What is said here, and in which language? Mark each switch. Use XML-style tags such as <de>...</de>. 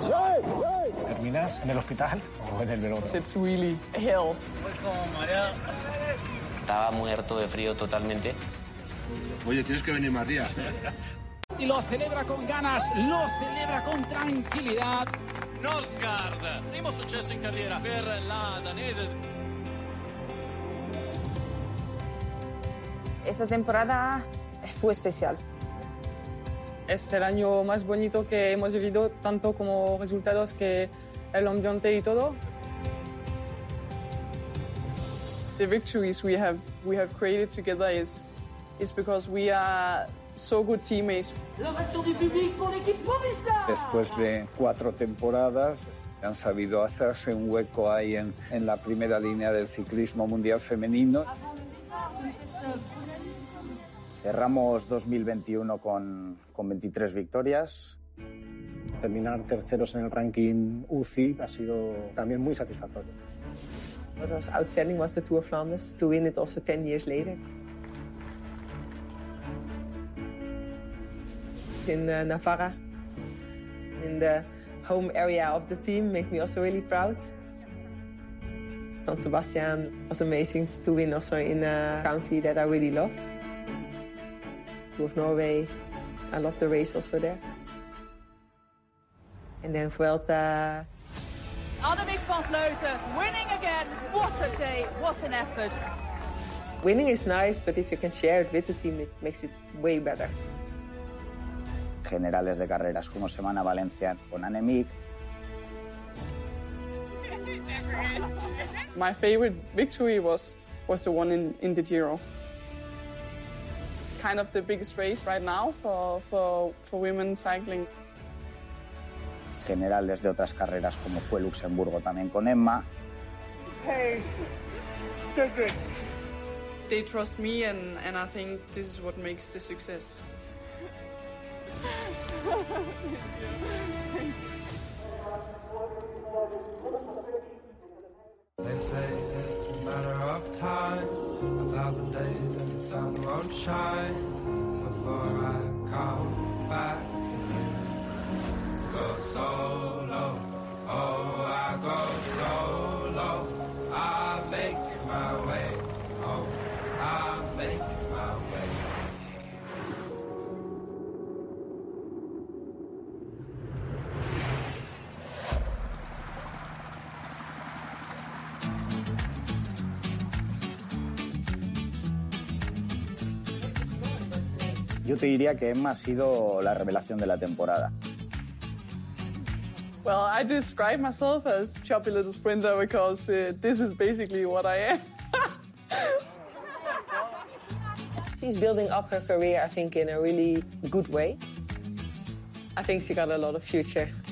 <es>¡Ay! ¿Terminas en el hospital o en el velódromo?</es> <en>It's really hell.</en> <es>Estaba muerto de frío totalmente. Oye, tienes que venir más días. Y lo celebra con ganas, lo celebra con tranquilidad.</es> <it>Nosgard, primo successo in carriera per la danese.</it> <es>Esta temporada fue especial. Es el año más bonito que hemos vivido, tanto como resultados que el ambiente y todo.</es> <en>The victories we have created together is because we are so good teammates.</en> <fr>L'ovation du public pour l'équipe Movistar.</fr> <es>Después de 4 temporadas han sabido hacerse un hueco ahí en la primera línea del ciclismo mundial femenino. Cerramos 2021 con 23 victorias. Terminar terceros en el ranking UCI ha sido también muy satisfactorio.</es> <en>Wat was outstanding was de Tour Flanders, to win it also 10 years later. In Navarra, in the home area of the team, make me also really proud. San Sebastian was amazing to win also in a country that I really love. Of Norway, I love the race also there. And then Vuelta. Annemiek van Vleuten, winning again. What a day, what an effort. Winning is nice, but if you can share it with the team, it makes it way better.</en> <es>Generales de carreras como Semana Valencia con Annemiek.</es> <en>My favorite victory was the one in the Giro. Kind of the biggest race right now for women cycling.</en> <es>Generales de otras carreras como fue Luxemburgo también con Emma.</es> <en>Hey, so good. They trust me and I think this is what makes the success. They say it's a matter of time, 1,000 days and the sun won't shine before I come back to you. Go solo, oh I go solo, I make my way, oh I make my way.</en> <es>Yo te diría que Emma ha sido la revelación de la temporada.</es> <en>Well, I describe myself as chubby little sprinter because this is basically what I am. She's building up her career, I think, in a really good way. I think she got a lot of future.</en>